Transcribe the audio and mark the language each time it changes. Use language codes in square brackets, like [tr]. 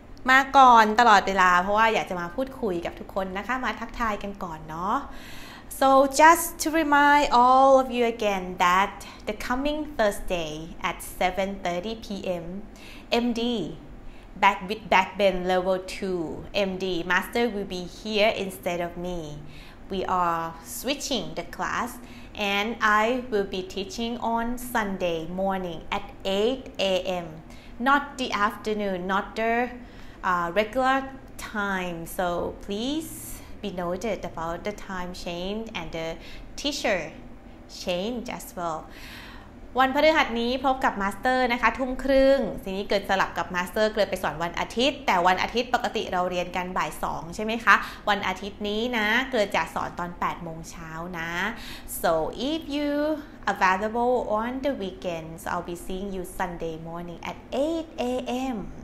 [th] มาก่อนตลอดเวลาเพราะว่าอยากจะมาพูดคุยกับทุกคนนะคะมาทักทายกันก่อนเนาะ [en] So just to remind all of you again that the coming Thursday at 7:30 p.m. MD back with backbend level 2 MD master will be here instead of me. We are switching the class and I will be teaching on Sunday morning at 8 a.m. not the afternoon, not the regular time. So please be noted about the time change and the teacher change as well. [th] วันพฤหัสนี้พบกับมาสเตอร์นะคะทุ่มครึ่งทีนี้เกิดสลับกับมาสเตอร์เกิดไปสอนวันอาทิตย์แต่วันอาทิตย์ปกติเราเรียนกันบ่ายสองใช่ไหมคะวันอาทิตย์นี้นะเกิดจะสอนตอน8โมงเช้านะ [en] so if you available on the weekends so I'll be seeing you Sunday morning at 8 a.m.